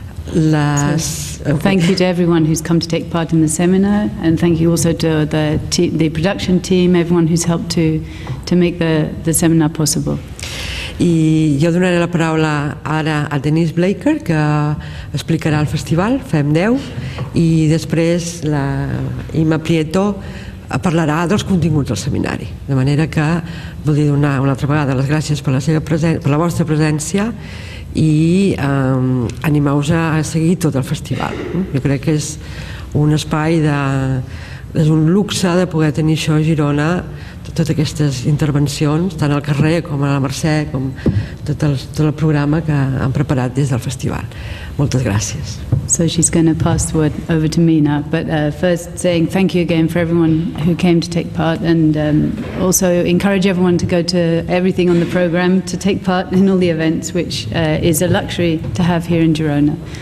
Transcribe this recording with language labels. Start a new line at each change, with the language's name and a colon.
English: Thank you to everyone who's come to take part in the seminar, and thank you also to the production team, everyone who's helped to make the seminar possible.
Catalan: I jo donaré la paraula ara a Denise Blaker, que explicarà el festival FEMDEU, i després la Imma Prieto parlarà dels continguts del seminari. De manera que voldria donar una altra vegada les gràcies per la vostra presència i animeu-vos a seguir tot el festival. Jo crec que és un espai és un luxe de poder tenir això a Girona, totes aquestes intervencions, tant al carrer com a la Mercè, com tot el programa que han preparat des del festival. Moltes gràcies.
English: So she's going to pass the word over to me now, but first saying thank you again for everyone who came to take part, and also encourage everyone to go to everything on the program, to take part in all the events, which is a luxury to have here in Girona.